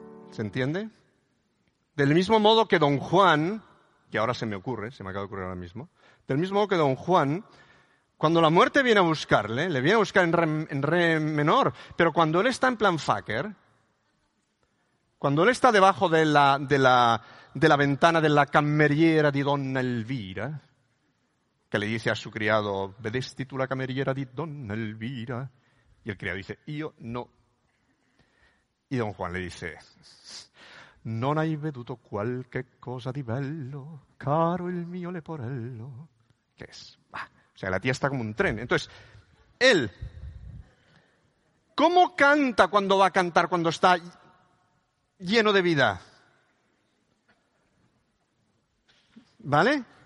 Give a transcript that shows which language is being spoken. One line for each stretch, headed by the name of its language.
Spanish: ¿Se entiende? Del mismo modo que Don Juan, que ahora se me acaba de ocurrir ahora mismo, del mismo modo que Don Juan, cuando la muerte viene a buscarle, le viene a buscar en re menor, pero cuando él está en plan fucker, cuando él está debajo de la ventana de la cameriera de Donna Elvira, que le dice a su criado,
Italian: vedesti tú la cameriera de Donna Elvira,
Spanish: y el criado dice, yo no. Y Don Juan le dice,
Italian: non hai veduto qualche cosa di bello, caro il mio leporello.
Spanish: ¿Qué es? Bah. O sea, la tía está como un tren. Entonces, él, ¿cómo canta cuando va a cantar cuando está lleno de vida? ¿Vale?